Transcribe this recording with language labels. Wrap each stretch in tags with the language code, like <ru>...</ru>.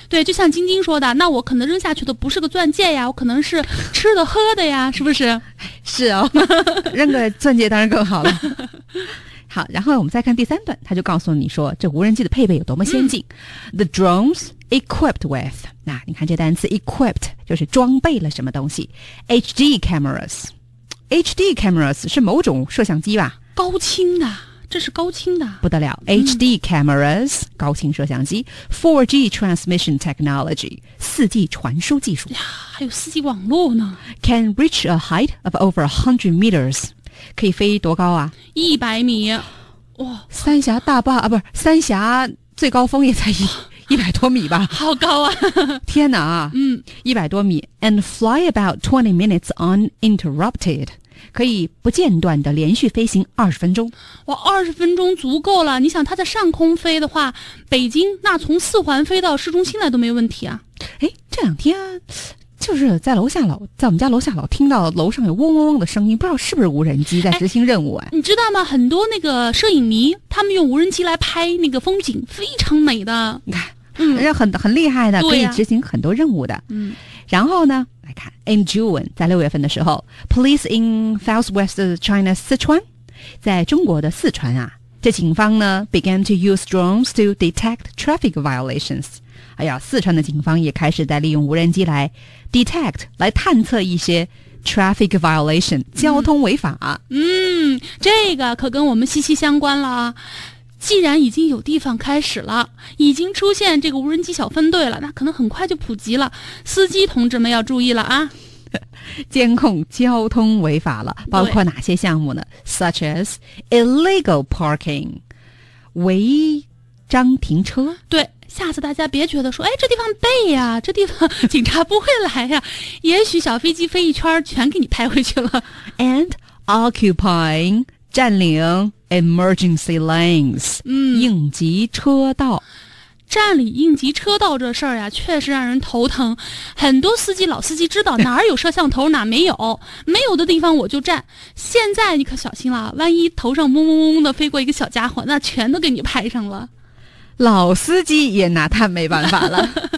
<zh>对，就像晶晶说的，那我可能扔下去的不是个钻戒呀，我可能是吃的喝的呀，是不是？是哦，扔个钻戒当然更好了。好，然后我们再看第三段，他就告诉你说这无人机的配备有多么先进、</zh> <en>The drones equipped with，</en> <zh>那你看这单词 equipped 就是装备了什么东西。</zh> <en>HD cameras， HD cameras</en> <zh>是某种摄像机吧，高清的，这是高清的，不得了。 HD cameras、高清摄像机。</zh> <en>4G transmission technology，</en> <zh>4G 传输技术呀，还有 4G 网络呢。</zh> <en>Can reach a height of over 100 meters，</en> <zh>可以飞多高啊？ 100米，哇！三峡大坝啊，不是三峡最高峰也才100多米吧？好高啊！天哪啊！ 100多米，</zh> <en>and fly about 20 minutes uninterrupted，</en> <zh>可以不间断的连续飞行20分钟。哇，20分钟足够了。你想，它在上空飞的话，北京那从四环飞到市中心来都没问题啊。哎，这两天。就是在楼下老，在我们家楼下老听到楼上有嗡嗡嗡的声音，不知道是不是无人机在执行任务。你知道吗，很多那个摄影迷他们用无人机来拍那个风景，非常美的，你看，很厉害的，可以执行很多任务的。然后呢来看</zh> <en>in June，</en> <zh>在六月份的时候，</zh> <en>police in southwest China Sichuan，</en> <zh>在中国的四川啊，这警方呢</zh> <en>began to use drones to detect traffic violations。</en> <zh>哎呀，四川的警方也开始在利用无人机来 detect， 来探测一些</zh> <en>traffic violation，</en> <zh>交通违法。这个可跟我们息息相关了啊。既然已经有地方开始了，已经出现这个无人机小分队了，那可能很快就普及了。司机同志们要注意了啊。监控交通违法了，包括哪些项目呢？</zh> <en>Such as illegal parking，</en> <zh>违章停车。对。下次大家别觉得说，哎，这地方背呀、啊，这地方警察不会来呀、啊，也许小飞机飞一圈全给你拍回去了。</zh> <en>And occupying</en> <zh>占领</zh> <en>emergency lanes，</en> <zh>应急车道。占领应急车道这事儿呀，确实让人头疼。很多司机，老司机知道哪儿有摄像头，哪没有，没有的地方我就占。现在你可小心了，万一头上嗡嗡嗡的飞过一个小家伙，那全都给你拍上了。老司机也拿他没办法了。</zh>